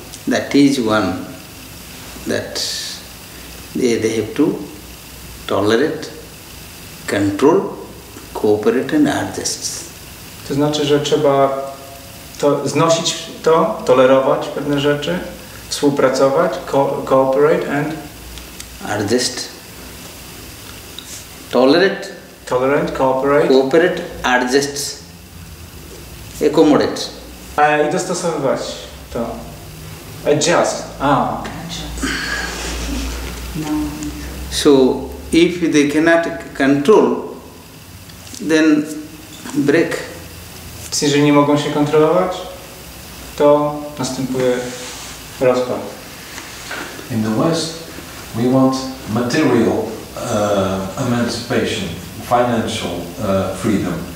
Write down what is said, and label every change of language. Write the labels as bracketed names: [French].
[English] That is one that they have to tolerate, control, cooperate and adjust. [Polish] To znaczy, że trzeba to znosić to, tolerować pewne rzeczy, współpracować, [English] cooperate and adjust. Tolerate. Tolerant, cooperate. Cooperate, adjust. Accommodate. [Polish] I dostosowywać to. Adjust. [English] So if they cannot control, then break. [Polish] Jeżeli nie mogą się kontrolować, to następuje rozpad. [English] In the West, we want material emancipation, financial freedom.